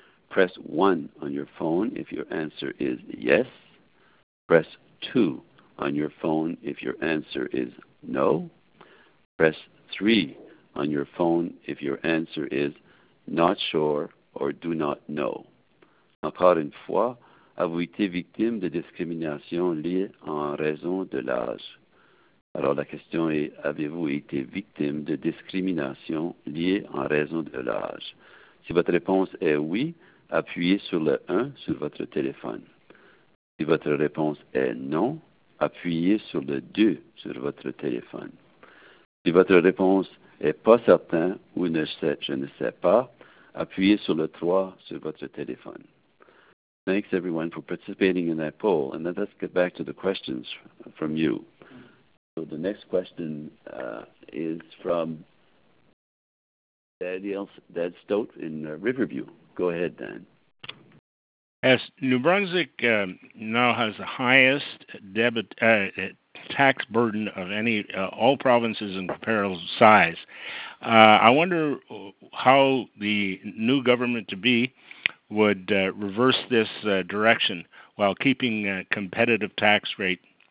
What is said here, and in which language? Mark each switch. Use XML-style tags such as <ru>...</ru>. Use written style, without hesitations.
<en>Press 1 on your phone if your answer is yes. Press 2 on your phone if your answer is no. Press 3 on your phone if your answer is not sure or do not know.</en> <fr>Encore une fois, avez-vous été victime de discrimination liée en raison de l'âge? Alors la question est, avez-vous été victime de discrimination liée en raison de l'âge? Si votre réponse est oui, appuyez sur le 1 sur votre téléphone. Si votre réponse est non, appuyez sur le 2 sur votre téléphone. Si votre réponse est pas certain ou je ne sais pas, appuyez sur le 3 sur votre téléphone.</fr> <en>Thanks everyone for participating in that poll. And let's get back to the questions from you. So the next question is from Dad Stote in Riverview. Go ahead, Dan. As New Brunswick now has the highest debit tax burden of any all provinces in comparable size, I wonder how the new government to be would reverse this direction while keeping a competitive tax rate.</en>